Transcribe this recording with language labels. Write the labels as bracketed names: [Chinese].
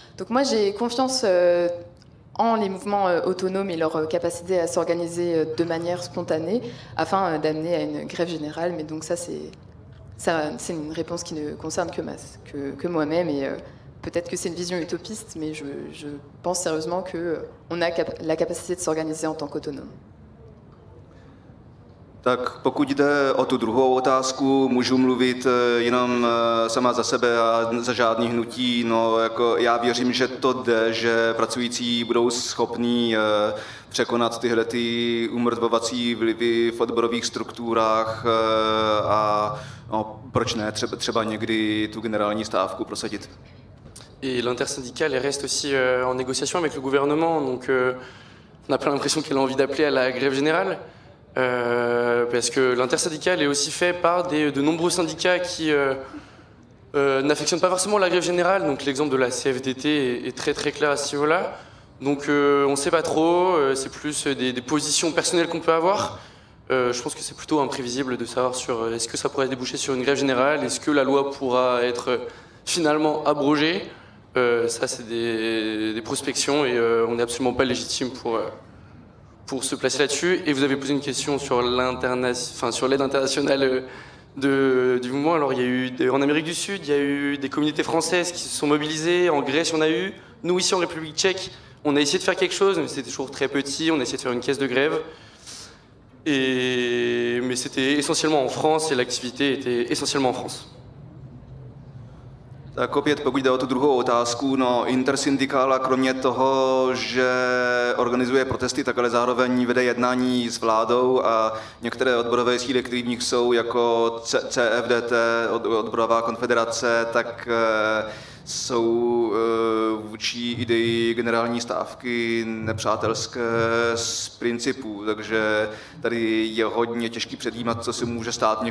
[French] Donc moi, j'ai confiance en les mouvements autonomes et leur capacité à s'organiser de manière spontanée afin d'amener à une grève générale. Mais donc ça, c'est une réponse qui ne concerne que moi-même et... Peut-être que c'est une vision utopiste, mais je pense sérieusement qu'on a la capacité de s'organiser en tant qu'autonome. [Czech] Tak pokud jde o tu druhou otázku, můžu mluvit jenom sama za sebe a za žádný hnutí. No, jako já věřím, že to jde, že pracující budou schopní překonat tyhle ty umrtvovací vlivy v odborových strukturách a no, proč ne třeba někdy tu generální stávku prosadit. [French] Et l'intersyndicale reste aussi en négociation avec le gouvernement, donc on n'a pas l'impression qu'elle a envie d'appeler à la grève générale, parce que l'intersyndicale est aussi fait par de nombreux syndicats qui n'affectionnent pas forcément la grève générale, donc l'exemple de la CFDT est très très clair à ce niveau-là, donc on ne sait pas trop, c'est plus des positions personnelles qu'on peut avoir, je pense que c'est plutôt imprévisible de savoir sur est-ce que ça pourrait déboucher sur une grève générale, est-ce que la loi pourra être... finalement abrogé, ça c'est des prospections et on n'est absolument pas légitime pour, pour se placer là-dessus. Et vous avez posé une question sur sur l'aide internationale du mouvement. Alors, il y a eu en Amérique du Sud, il y a eu des communautés françaises qui se sont mobilisées. En Grèce, on a eu. Nous, ici, en République tchèque, on a essayé de faire quelque chose, mais c'était toujours très petit. On a essayé de faire une caisse de grève. Mais c'était essentiellement en France et l'activité était essentiellement en France. [Czech] Tak opět, pokud jde o tu druhou otázku, no Intersyndikála kromě toho, že organizuje protesty, tak ale zároveň vede jednání s vládou a některé odborové síly, které v nich jsou, jako CFDT, odborová konfederace, tak jsou vůči ideji generální stávky nepřátelské z principu, takže tady je hodně těžký předjímat, co se může stát.